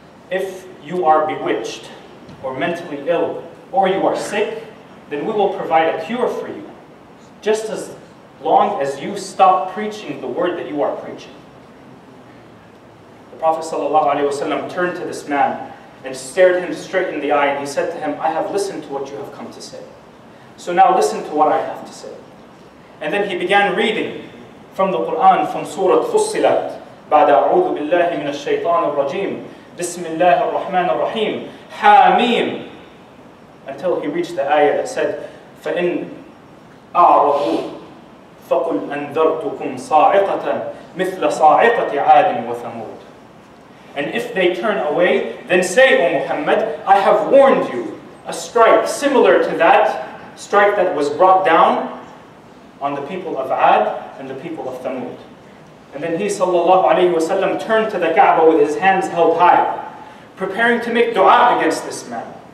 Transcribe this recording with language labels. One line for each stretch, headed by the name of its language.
English: If you are bewitched or mentally ill or you are sick, then we will provide a cure for you, just as long as you stop preaching the word that you are preaching." The Prophet ﷺ turned to this man and stared him straight in the eye, and he said to him, "I have listened to what you have come to say. So now listen to what I have to say." And then he began reading from the Quran, from Surah Fussilat,
Arabic: بَعْدَ أَعُوذُ بِاللَّهِ مِنَ الشَّيْطَانِ الرَّجِيمِ بِسْمِ اللَّهِ الرَّحْمَنِ الرَّحِيمِ حَامِيمِ,
English: until he reached the ayah that said,
Arabic: فَإِنْ أَعْرَضُوا فَقُلْ أَنذَرْتُكُمْ صَاعِقَةً مِثْلَ صَاعِقَةِ عَادٍ وَثَمُودٍ.
English: And if they turn away, then say, O Muhammad, I have warned you a strike similar to that strike that was brought down on the people of Ad and the people of Thamud. And then he, sallallahu alayhi wasallam, turned to the Kaaba with his hands held high, preparing to make dua against this man.